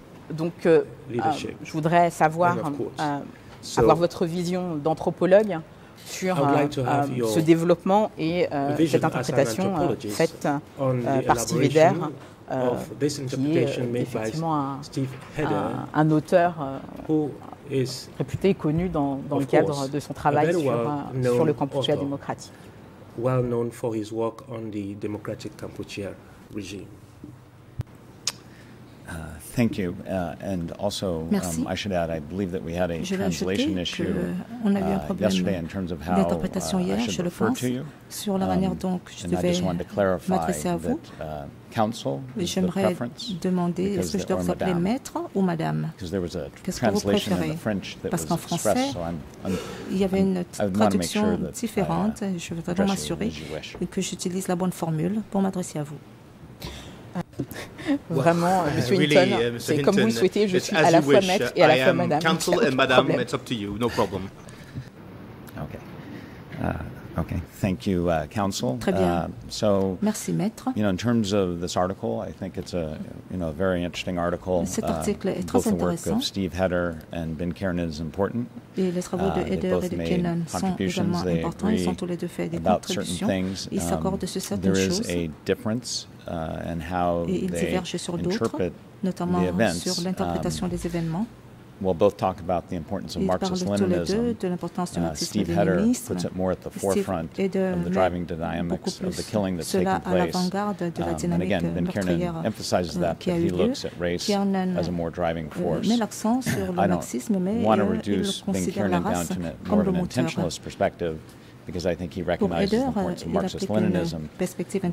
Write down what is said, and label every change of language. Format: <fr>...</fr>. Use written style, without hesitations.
<fr>Donc, je voudrais savoir, avoir votre vision d'anthropologue sur ce développement et cette interprétation faite par Steve Eder, qui est effectivement un auteur réputé et connu dans le cadre de son travail sur le Kampuchea démocratique.</fr> <en>Well known for his work on the democratic Kampuchea regime. Thank you, and also I should add, I believe that we had a translation issue yesterday in terms of how I should refer to you.</en> <fr>Sur la manière dont je devais m'adresser à vous, j'aimerais demander, est-ce que je dois vous appeler maître ou madame ? Qu'est-ce que vous préférez ? Parce qu'en français, il y avait une traduction différente, je voudrais vraiment m'assurer que j'utilise la bonne formule pour m'adresser à vous. Vraiment, M. Hinton,</fr> <en>really,</en> <fr>c'est Hinton, comme vous le souhaitez, je suis à la fois maître et à la fois madame.</fr> <en>I am counsel and madame, it's up to you, no problem. Okay. Okay, thank you, counsel.</en> <fr>Très bien. Merci, maître.</fr> <en>You know, in terms of this article, I think it's a, you know, a very interesting article.</en> <fr>Cet article est très intéressant.</fr> <en>Both the work of Steve Heder and Ben Kiernan is important.</en> <fr>Et les travaux de Heder et de Kiernan sont également importants. Ils ont tous les deux fait des contributions. Ils s'accordent sur certaines choses.</fr> <en>There is a difference in how</en> <fr>et ils divergent sur d'autres, notamment sur l'interprétation des événements.</fr> <en>We'll both talk about the importance of Marxist-Leninism. Steve Hedder puts it more at the forefront of the driving dynamics of the killing that's taking place. And again, Ben Kiernan emphasizes that, that he looks at race as a more driving force. I don't want to reduce Ben Kiernan down to more of an intentionalist perspective, because I think he recognizes the importance of Marxist-Leninism.</en>